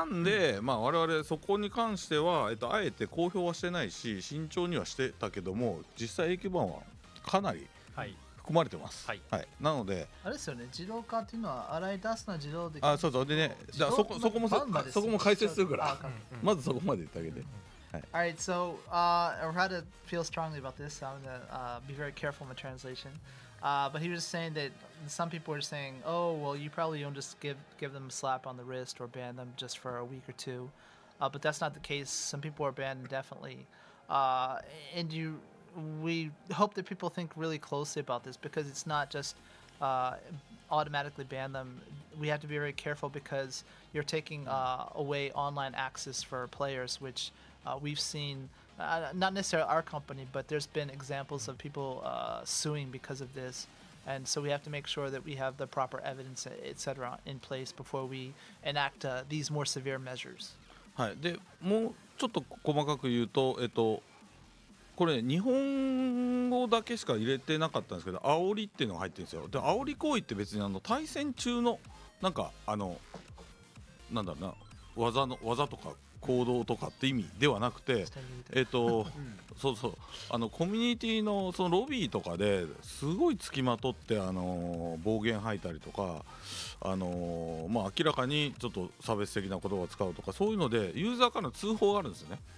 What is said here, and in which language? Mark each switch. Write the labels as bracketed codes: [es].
[ja] なんで、うん、まあ、我々そこに関しては、あえて公表はしてないし慎重にはしてたけども実際永久版はかなり、はい、含まれてます、はいはい、なのであれですよね自動化っていうのは洗い出すのは自動で、あ、そうそう、でね、じゃあそこも解説するから、うんうん、まずそこまで言ってあげて、う [en] んうん、はい、Alright, so I had to feel strongly about this, so I'm gonna、be very careful in my translation、but he was saying that some people were saying, oh well you probably don't just give them a slap on the wrist or ban them just for a week or two、but that's not the case, some people are banned indefinitely、and youWe hope that people think really closely about this because it's not just automatically ban them. We have to be very careful because you're taking away online access for players, which we've seen, not necessarily our company, but there's been examples of people suing because of this. And so we have to make sure that we have the proper evidence, et cetera, in place before we enact these more severe measures. [ja] はい。で、もうちょっと細かく言うと、これ日本語だけしか入れてなかったんですけど煽りっていうのが入ってるんですよ。で煽り行為って別にあの対戦中のなんかあのなんだろうな技とか行動とかって意味ではなくて、うん、そうそう、あのコミュニティのそのロビーとかですごい付きまとって暴言吐いたりとか、まあ明らかにちょっと差別的な言葉を使うとかそういうのでユーザーからの通報があるんですよね。